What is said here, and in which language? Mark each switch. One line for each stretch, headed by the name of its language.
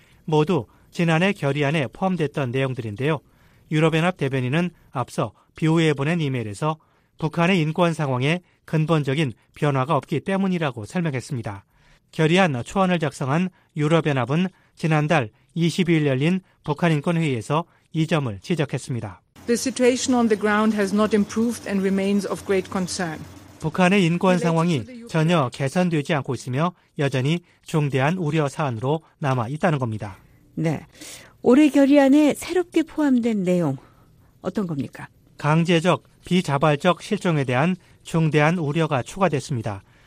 Korean: 모두 지난해 결의안에 포함됐던 내용들인데요. 유럽연합 대변인은 앞서 BOA에 보낸 이메일에서 북한의 인권 상황에 근본적인 변화가 없기 때문이라고 설명했습니다. 결의안 초안을 작성한 유럽연합은 지난달 22일 열린 북한인권회의에서 이 점을 지적했습니다.
English: The situation on the ground has not improved and remains of great concern.
Korean: 북한의 인권 상황이 전혀 개선되지 않고 있으며 여전히 중대한 우려 사안으로 남아 있다는 겁니다. 네, 올해 결의안에 새롭게 포함된 내용 어떤 겁니까? 강제적 비자발적 실종에 대한 중대한 우려가 추가됐습니다.